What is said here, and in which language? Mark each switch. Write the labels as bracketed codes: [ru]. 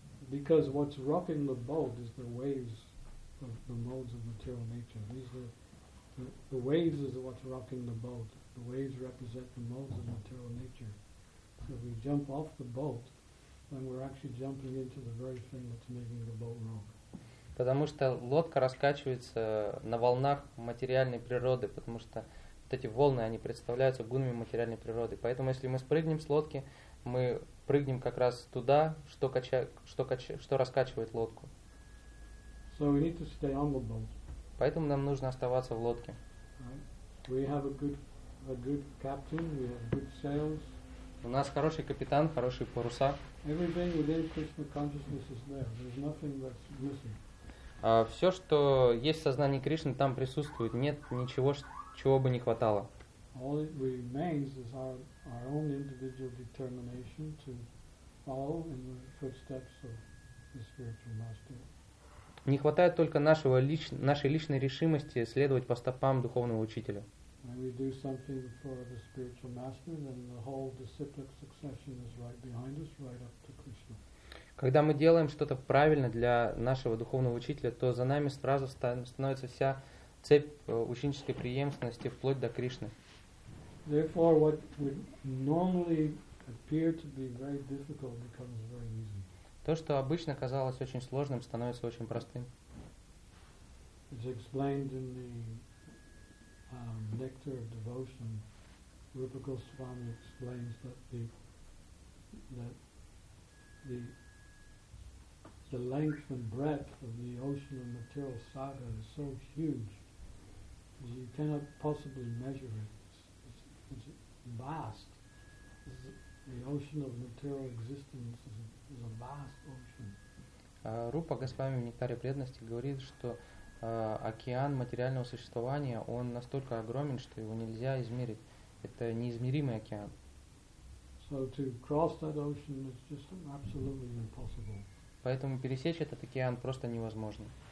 [en] Because what's rocking the boat is the waves of the modes of material nature. These are the waves is what's rocking the boat. The waves represent the modes of material nature. So if we jump off the boat, then we're actually jumping into the very thing that's making the boat rock. [ru] Потому что лодка раскачивается на волнах материальной природы, потому что вот эти волны, они представляются гунами материальной природы. Поэтому если мы спрыгнем с лодки, мы прыгнем как раз туда, что раскачивает лодку. [en] So we need to stay on the boat. [ru] Поэтому нам нужно оставаться в лодке. [en] Right. We have a good captain, we have good sails. [ru] У нас хороший капитан, хорошие паруса. [en] Everything within Krishna consciousness is there. There's nothing that's missing. [ru] Все, что есть в сознании Кришны, там присутствует. Нет ничего, чего бы не хватало. [en] All that remains is our own individual determination to follow in the footsteps of the spiritual master. [ru] Не хватает только нашей личной решимости следовать по стопам духовного учителя. [en] When we do something for the spiritual master, then the whole disciplic succession is right behind us, right up to Krishna. [ru] Когда мы делаем что-то правильно для нашего духовного учителя, то за нами сразу становится вся цепь ученической преемственности вплоть до Кришны. [en] Therefore, what would normally appear to be very difficult becomes very easy. [ru] То, что обычно казалось очень сложным, становится очень простым. [en] It's explained in the Nectar of Devotion. Rupa Goswami explains that the length and breadth of the ocean of material saga is so huge that you cannot possibly measure it. It's vast. The ocean of material existence is a vast ocean. [ru] Рупа Госвами в Нектаре Преданности говорит, что океан материального существования, он настолько огромен, что его нельзя измерить. Это неизмеримый океан. [en] So to cross that ocean is just absolutely impossible. [ru] Поэтому пересечь этот океан просто невозможно.